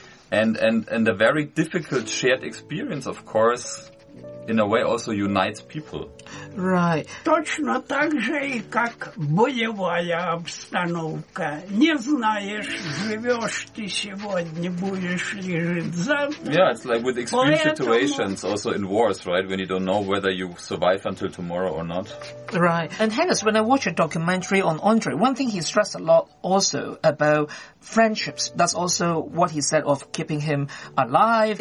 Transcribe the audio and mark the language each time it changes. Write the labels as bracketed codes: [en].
[en] And a very difficult shared experience, of course, in a way also unites people. Right. [ru] Точно так же, как боевая обстановка. Не знаешь, живешь ты сегодня, будешь ли жить завтра. [en] Yeah, it's like with extreme situations also in wars, right? When you don't know whether you survive until tomorrow or not. Right. And Hannes, when I watch a documentary on Andre, one thing he stressed a lot also about friendships. That's also what he said of keeping him alive.